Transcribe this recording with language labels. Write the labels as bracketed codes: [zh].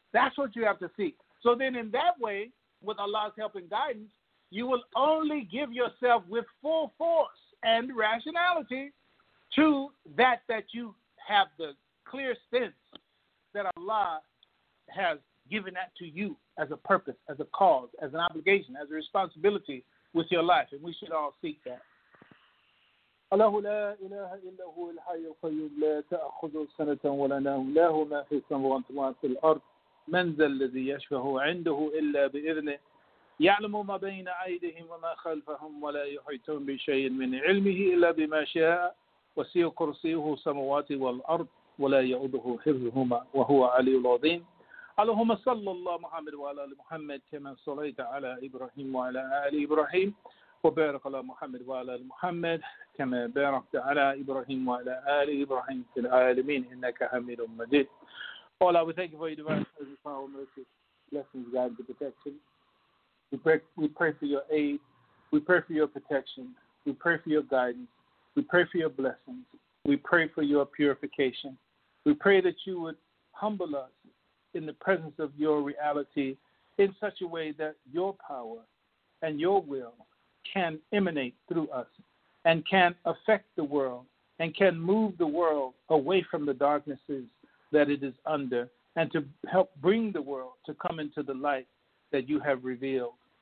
[en] That's what you have to seek. So then in that way, with Allah's help and guidance, you will only give yourself with full force and rationality to that you have the clear sense that Allah has given that to you as a purpose, as a cause, as an obligation, as a responsibility with your life. And we should all seek that. [ar] الله لا إله إلا هو الحي القيوم لا تأخذه سنة ولا نوم له ما في السماوات وما في الأرض من ذا الذي يشفع عنده إلا بإذنه يعلم ما بين أيديهم وما خلفهم ولا يحيطون بشيء من علمه إلا بما شاء وسع كرسيه السماوات والأرض ولا يؤوده حفظهما وهو العلي العظيم اللهم صل الله محمد وعلى آل محمد كما صليت على إبراهيم وعلى آل إبراهيم وبارك على محمد وعلى آل محمد كما باركت على إبراهيم وعلى آل إبراهيم في العالمين إنك حميد مجيد. [en] All we thank you for your divine presence, power, mercy, blessings, guidance, and protection. We pray for your aid. We pray for your protection. We pray for your guidance. We pray for your blessings. We pray for your purification. We pray that you would humble us in the presence of your reality in such a way that your power and your will can emanate through us and can affect the world and can move the world away from the darknesses that it is under and to help bring the world to come into the light that you have revealed.